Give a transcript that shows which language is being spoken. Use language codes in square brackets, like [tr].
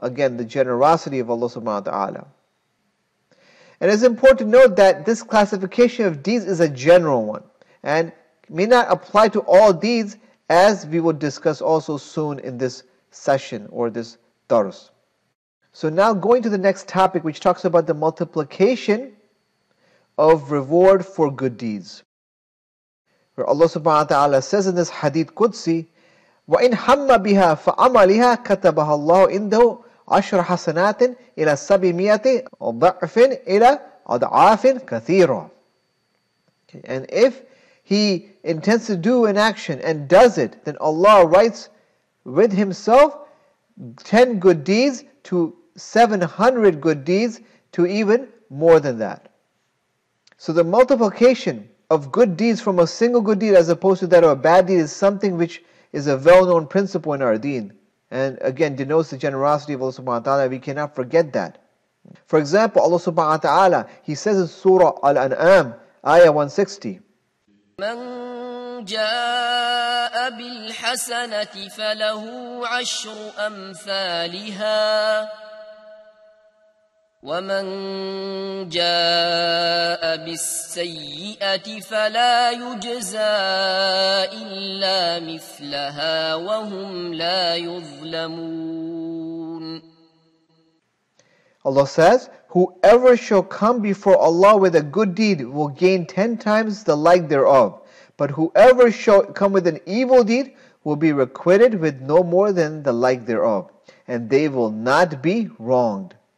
[en] Again, the generosity of Allah subhanahu wa ta'ala. And it's important to note that this classification of deeds is a general one and may not apply to all deeds, as we will discuss also soon in this session or this dars. So now going to the next topic, which talks about the multiplication of reward for good deeds. Where Allah subhanahu wa ta'ala says in this hadith Qudsi, [ar] وَإِنْ حَمَّ بِهَا فَعَمَلِهَا كَتَبَهَا اللَّهُ إِنْدَهُ عَشْرَ حَسَنَاتٍ إِلَى سَبِمِيَةِ ضَعْفٍ إِلَى أَضْعَافٍ كَثِيرًا. [en] Okay. And if he intends to do an action and does it, then Allah writes with himself 10 good deeds to 700 good deeds to even more than that. So the multiplication of good deeds from a single good deed as opposed to that of a bad deed is something which is a well-known principle in our deen. And again, denotes the generosity of Allah subhanahu wa ta'ala. We cannot forget that. For example, Allah subhanahu wa ta'ala, He says in Surah Al-An'am, Ayah 160, [ar] من جاء بالحسنة فله عشر أمثالها ومن جاء بالسيئة فلا يجزى إلا مثلها وهم لا يظلمون. [en] Allah says, whoever shall come before Allah with a good deed will gain 10 times the like thereof. But whoever shall come with an evil deed will be requited with no more than the like thereof. And they will not be wronged.